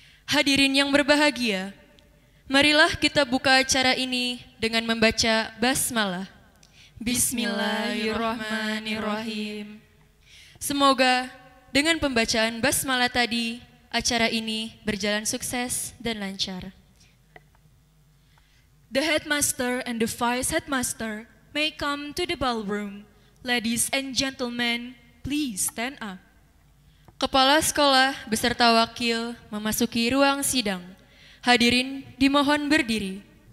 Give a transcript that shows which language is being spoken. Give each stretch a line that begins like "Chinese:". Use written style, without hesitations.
Indonesian: Hadirin yang berbahagia, marilah kita buka acara ini dengan membaca basmalah. Bismillahirrahmanirrahim. Semoga dengan pembacaan basmalah tadi, acara ini berjalan sukses dan lancar.
English: The headmaster and the vice headmaster may come to the ballroom. Ladies and gentlemen, please stand up.
Indonesian: Kepala sekolah beserta wakil memasuki ruang sidang. Hadirin dimohon berdiri.